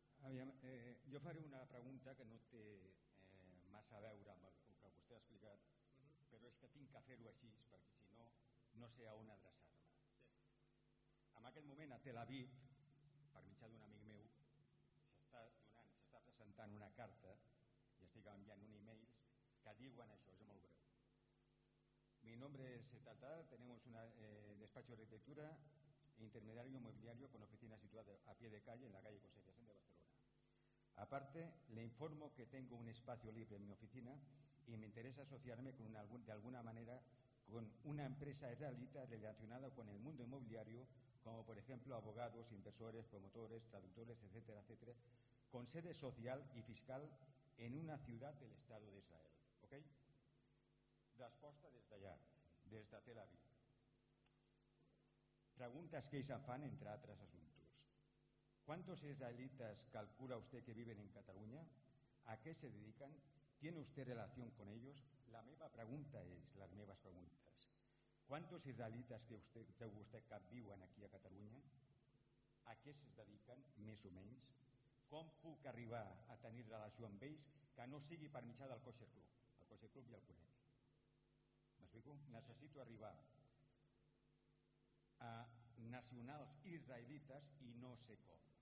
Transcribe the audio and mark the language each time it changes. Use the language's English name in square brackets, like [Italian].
[Catalan] Aviam, jo faré una pregunta que no té massa a veure amb el que vostè ha explicat, però és que tinc que fer-ho així, perquè si no, no sé a on adreçar-me. Sí. En aquest moment a Tel Aviv, per mitjà d'un amic meu, s'està presentant una carta i estic enviant un e-mail que diuen això, és molt breu. [Spanish] Mi nombre es Tatar, tenemos un despacho de arquitectura e intermediario inmobiliario con oficina situada a pie de calle en la calle Consellación de Barcelona. Aparte, le informo que tengo un espacio libre en mi oficina y me interesa asociarme de alguna manera con una empresa israelita relacionada con el mundo inmobiliario, como por ejemplo abogados, inversores, promotores, traductores, etcétera, etcétera, con sede social y fiscal en una ciudad del Estado de Israel. ¿Ok? [Catalan] Resposta des d'allà, des de Tel Aviv. Preguntes que ells en fan, entre altres assumptes. [Spanish] ¿Cuántos israelitas calcula usted que viven en Cataluña? ¿A qué se dedican? ¿Tiene usted relación con ellos? [Catalan] La meva pregunta és, les meves preguntes. [Spanish] ¿Cuántos israelitas [Catalan] creu usted que viuen aquí a Catalunya? ¿A què es dediquen, més o menys? ¿Com puc arribar a tenir relació amb ells que no sigui per mitjà del Kosher Club? El Kosher Club ja el conec. M'explico? Necessito arribar a nacionals israelites i no sé com.